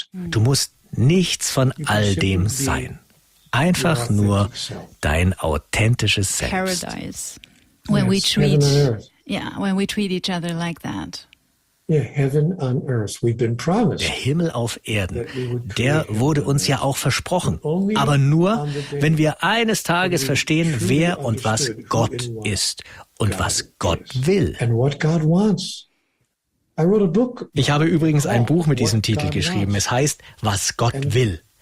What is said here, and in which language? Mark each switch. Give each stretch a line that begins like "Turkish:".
German: Du musst nichts von all dem sein. Einfach nur dein authentisches Selbst.
English: Paradise, when we treat, when we treat each other like that. Heaven on earth. We've been promised.
German: Der Himmel auf Erden, der wurde uns ja auch versprochen. Aber nur, wenn wir eines Tages verstehen, wer und was Gott ist und was Gott will.
English: And what God wants.
German: Ich habe übrigens ein Buch mit diesem Titel geschrieben. Es heißt, was Gott will.